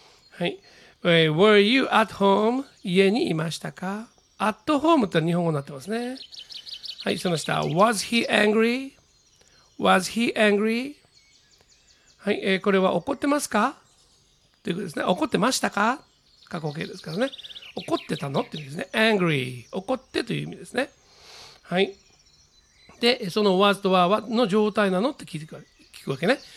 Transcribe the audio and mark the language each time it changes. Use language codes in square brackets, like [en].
[en] はい、Were you at home? [ja] 家にいましたか ?at home って日本語になってますね。はい、その下、 [en] Was he angry? Was he angry? [ja] はい、これは怒ってますかということですね。怒ってましたか過去形ですからね。怒ってたのという意味ですね。angry、怒ってという意味ですね。はい。で、その was と were の状態なのって聞くわけね。